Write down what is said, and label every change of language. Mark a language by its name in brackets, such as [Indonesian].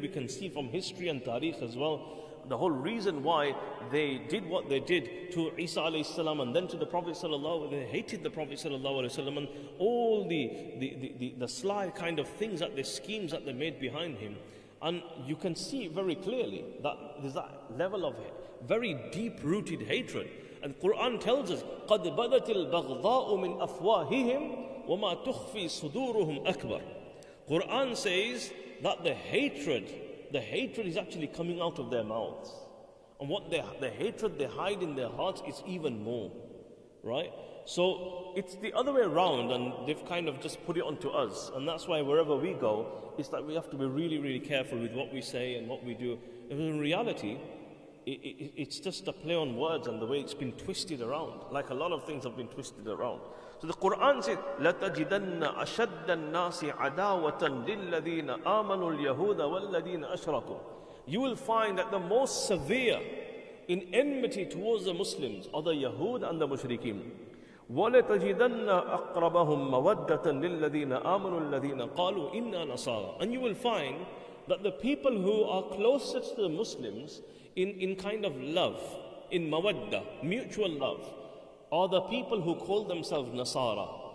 [English] We can see from history and tariq as well. The whole reason why they did what they did to Isa alayhi salam and then to the Prophet sallallahu alayhi wa sallam, they hated the Prophet sallallahu alayhi wa sallam, and all the sly kind of things that the schemes that they made behind him. And you can see very clearly that there's that level of very deep-rooted hatred. And Quran tells us, [Arabic] قَدْ بَدَتِ الْبَغْضَاءُ مِنْ أَفْوَاهِهِمْ وَمَا تُخْفِي صُدُورُهُمْ أَكْبَرُ. [English] Quran says that the hatred is actually coming out of their mouths. And what the hatred they hide in their hearts is even more, right? So it's the other way around, and they've kind of just put it onto us. And that's why wherever we go, it's like we have to be really, really careful with what we say and what we do. And in reality, it's just a play on words and the way it's been twisted around, like a lot of things have been twisted around. So the Quran says, [Arabic] لَتَجِدَنَّ أَشَدَّ النَّاسِ عَدَاوَةً لِلَّذِينَ آمَنُوا الْيَهُودَ وَالَّذِينَ أَشْرَكُوا. [English] You will find that the most severe in enmity towards the Muslims are the Yahud and the Mushrikeen. [Arabic] وَلَتَجِدَنَّ أَقْرَبَهُمْ مَوَدَّةً لِلَّذِينَ آمَنُوا الَّذِينَ قَالُوا إِنَّا نَصَارَى. [English] And you will find that the people who are closest to the Muslims in kind of love, in mawaddah, mutual love, are the people who call themselves Nasara.